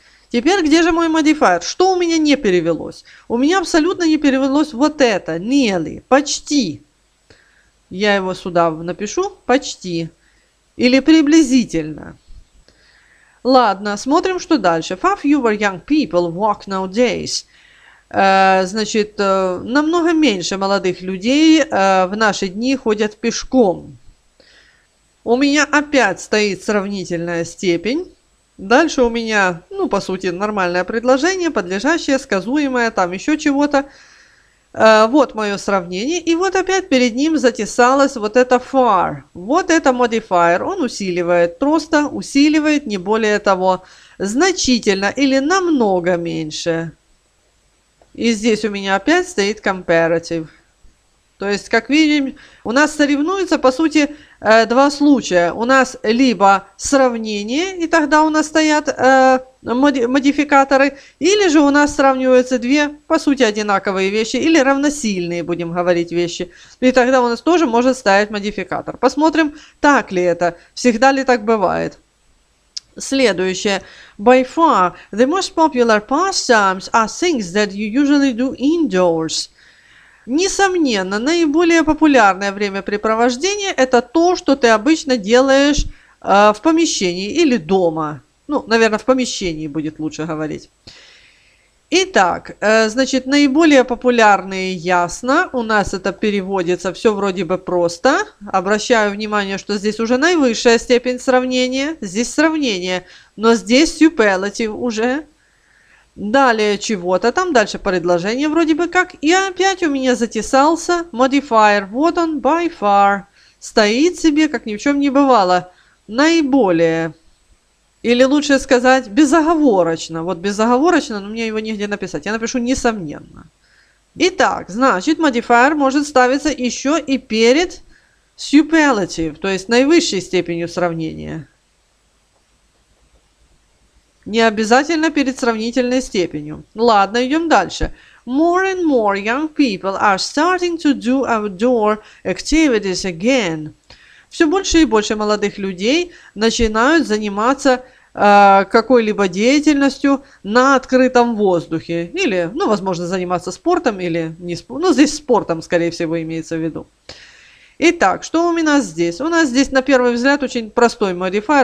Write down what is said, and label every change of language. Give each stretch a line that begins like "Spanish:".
Russian: Теперь где же мой modifier? Что у меня не перевелось? У меня абсолютно не перевелось вот это. Nearly. Почти. Я его сюда напишу. Почти. Или приблизительно. Ладно, смотрим, что дальше.
English: Far fewer young people walk nowadays.
Russian: Значит, намного меньше молодых людей в наши дни ходят пешком. У меня опять стоит сравнительная степень. Дальше у меня, ну, по сути, нормальное предложение, подлежащее, сказуемое, там еще чего-то. Вот мое сравнение, и вот опять перед ним затесалось вот это far, вот это modifier, он усиливает, просто усиливает, не более того, значительно или намного меньше. И здесь у меня опять стоит comparative. То есть, как видим, у нас соревнуются, по сути, два случая. У нас либо сравнение, и тогда у нас стоят модификаторы, или же у нас сравниваются две, по сути, одинаковые вещи, или равносильные, будем говорить, вещи. И тогда у нас тоже может стоять модификатор. Посмотрим, так ли это, всегда ли так бывает. Следующее.
English: By far, the most popular pastimes are things that you usually do indoors.
Russian: Несомненно, наиболее популярное времяпрепровождение – это то, что ты обычно делаешь в помещении или дома. Ну, наверное, в помещении будет лучше говорить. Итак, значит, наиболее популярные ясно. У нас это переводится все вроде бы просто. Обращаю внимание, что здесь уже наивысшая степень сравнения. Здесь сравнение, но здесь superlative уже. Далее чего-то там, дальше предложение вроде бы как. И опять у меня затесался modifier. Вот он, by far. Стоит себе, как ни в чем не бывало. Наиболее. Или лучше сказать, безоговорочно. Вот безоговорочно, но мне его нигде написать. Я напишу несомненно. Итак, значит, modifier может ставиться еще и перед superlative, то есть наивысшей степенью сравнения. Не обязательно перед сравнительной степенью. Ладно, идем дальше.
English: More and more young people are starting to do outdoor activities again.
Russian: Все больше и больше молодых людей начинают заниматься какой-либо деятельностью на открытом воздухе. Или, ну, возможно, заниматься спортом, или не спортом. Ну, здесь спортом, скорее всего, имеется в виду. Итак, что у нас здесь? У нас здесь, на первый взгляд, очень простой modifier.